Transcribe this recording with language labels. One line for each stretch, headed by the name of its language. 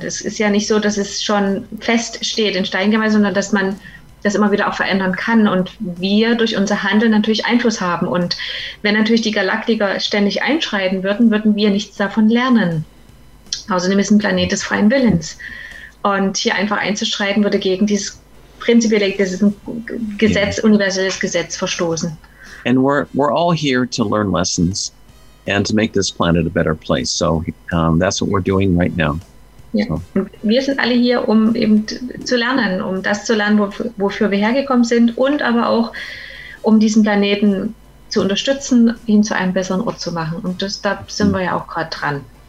German: Es ist ja nicht so, dass es schon feststeht in Stein gemeißelt, sondern dass man das immer wieder auch verändern kann und wir durch unser Handeln natürlich Einfluss haben. Und wenn natürlich die Galaktiker ständig einschreiten würden, würden wir nichts davon lernen. Außerdem ist ein Planet des freien Willens. Und hier einfach einzuschreiten würde gegen dieses prinzipielle Gesetz, yeah, universelles Gesetz verstoßen.
English: And we're all here to learn lessons and to make this planet a better place. So that's what we're doing right now.
German: Ja. So. Und wir sind alle hier, um eben zu lernen, um das zu lernen, wofür wir hergekommen sind, und aber auch, um diesen Planeten zu unterstützen, ihn zu einem besseren Ort zu machen. Und das, da sind wir ja auch gerade dran.